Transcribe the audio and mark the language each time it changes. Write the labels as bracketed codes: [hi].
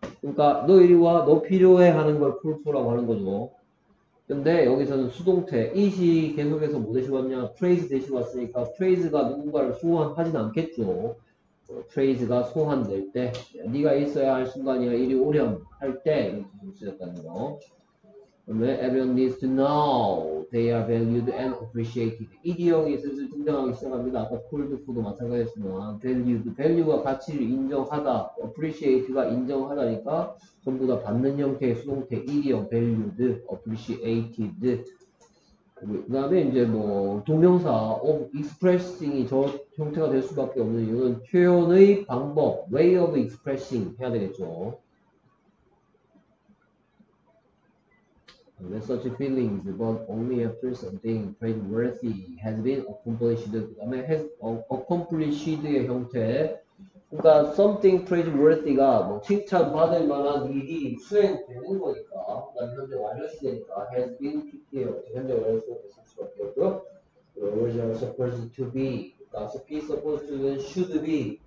[ko] 그러니까 너 이리 와, 너 필요해 하는 걸 call for라고 하는 거죠. 근데 여기서는 수동태 it이 계속해서 뭐 대신 왔냐, phrase 대신 왔으니까 phrase가 누군가를 소환하진 않겠죠. phrase가 소환될 때 네가 있어야 할 순간이야 일이 오렴 할 때 이렇게 쓰였다는 거. 그다음에 [en] everyone needs to know they are valued and appreciated. [ko] 이 기억이 슬슬 등장하기 시작합니다. 아까 cold food도 마찬가지였지만 value가 가치를 인정하다, appreciate가 인정하다니까 전부 다 받는 형태의 수동태 이 기억, valued, appreciated. 그 다음에 이제 뭐 동명사 of expressing이 저 형태가 될 수밖에 없는 이유는 표현의 방법, way of expressing 해야 되겠죠. [en] There's such feelings, but only after something praiseworthy has been accomplished. [ko] 그 다음에 has accomplished의 형태. 그러니까 something praiseworthy가 뭐 칭찬받을 만한 일이 수행되는 거니까, 그러니까 현재 완료시되니까 has been PT예요. 현재 완료시되고 있을 수밖에 없고요. [en] The original is supposed to be. [ko] 그러니까 so be supposed to be, should be.